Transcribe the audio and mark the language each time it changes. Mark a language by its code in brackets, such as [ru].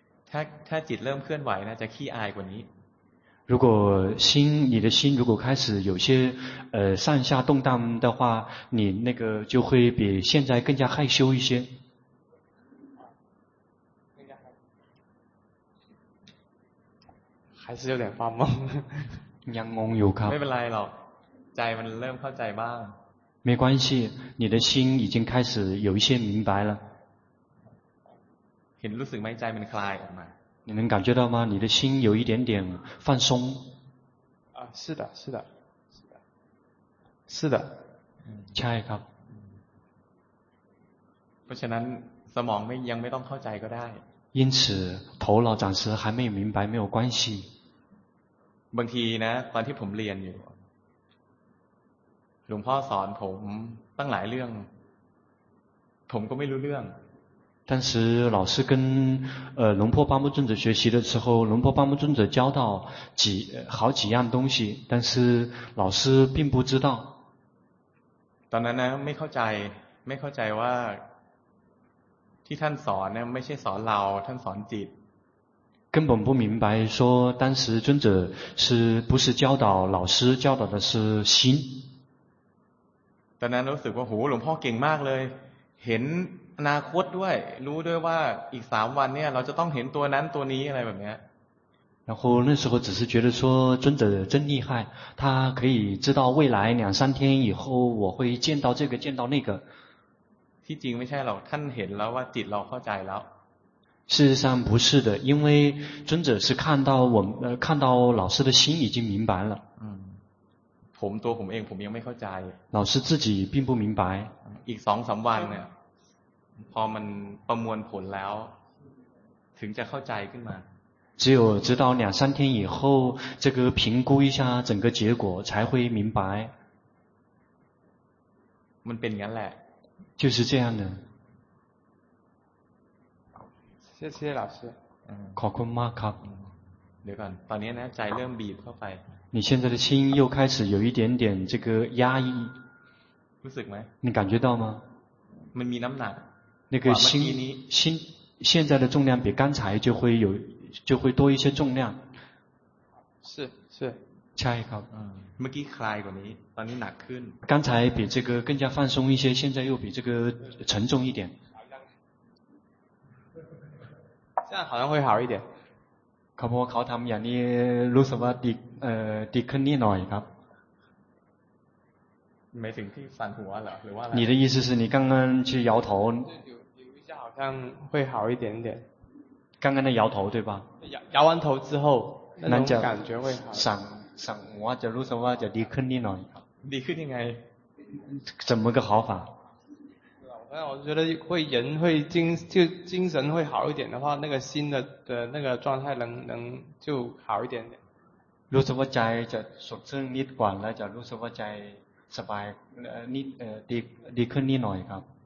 [th] ถ้าจิตเริ่มเคลื่อนไหวนะจะขี้อายกว่านี้ [zh] 如果心你的心如果开始有些上下动荡的话你那个就会比现在更加害羞一些还是有点发懵 [th] ยังงงอยู่ครับ ไม่เป็นไรหรอกใจมันเริ่มเข้าใจบ้าง [zh] 没关系你的心已经开始有一些明白了 [th] เห็นรู้สึกไหมใจมันคลายออกมา [zh] 你能感觉到吗你的心有一点点放松啊是的是的是的是的 [th] ใช่ครับ เพราะฉะนั้นสมองยังไม่ต้องเข้าใจก็ได้ [zh] 因此头脑暂时还没有明白没有关系 [th] บางทีนะตอนที่ผมเรียนอยู่หลวงพ่อสอนผมตั้งหลายเรื่องผมก็ไม่รู้เรื่อง [zh] 当时老师跟龙婆巴木尊者学习的时候龙婆巴木尊者教到几好几样东西但是老师并不知道 [th] ตอนนั้นนะไม่เข้าใจว่าที่ท่านสอนเนี่ยไม่ใช่สอนเราท่านสอนจิต [zh] 根本不明白说当时尊者是不是教导老师教导的是心 [th] ตอนนั้นรู้สึกว่าโหหลวงพ่อเก่งมากเลยเห็นอนาคตด้วยรู้ด้วยว่าอีก3วันเนี่ยเราจะต้องเห็นตัวนั้นตัวนี้อะไรแบบเนี้ย [zh] 然后那时候只是觉得说尊者真厉害他可以知道未来两三天以后我会见到这个见到那个 [th] ที่จริงไม่ใช่หรอกท่านเห็นแล้วว่าจิตเราเข้าใจแล้ว [zh] 事实上不是的因为尊者是看到我们看到老师的心已经明白了 [th] ผมตัวผมเองผมยังไม่เข้าใจ [zh] 老师自己并不明白 [th] อีก 2-3 วันเนี่ยพอมันประมวลผลแล้วถึงจะเข้าใจขึ้นมา [zh] 只有直到两三天以后这个评估一下整个结果才会明白 [th] มันเป็นงั้นแหละ [zh] 就是这样的谢谢老师 [th] ขอบคุณมากครับ เดี๋ยวก่อนตอนนี้นะใจเริ่มบีบเข้าไป [zh] 你现在的心又开始有一点点这个压抑 [th] รู้สึกไ [zh] หม你感觉到吗 [th] มันมีน้ำหนัก [zh] 那个心现在的重量比刚才就会多一些重量是 [th] ใช่ครับ เมื่อกี้คลายกว่านี้ตอนนี้หนักขึ้น [zh] 刚才比这个更加放松一些现在又比这个沉重一点这样好像会好一点 [th] ครับเขาทำอย่างนี้รู้สึกว่าดีขึ้นนิดหน่อยครับ ไม่ถึงที่สั่นหัวหรือว่า [zh] 你的意思是你刚刚去摇头有一下好像会好一点点刚刚的摇头对吧摇完头之后那种感觉会好 [th] 闪สั่งว่าจะรู้สึกว่าจะดีขึ้นนิดหน่อย ดีขึ้นยังไง [zh] 怎么个好法我觉得会人会精神会好一点的话那个心 的那个状态能就好一点点 [th] รู้สึกว่าใจจะสดชื่นนิดกว่าแล้วจะรู้สึกว่าใจสบายนิดดีขึ้นนิดหน่อยครับ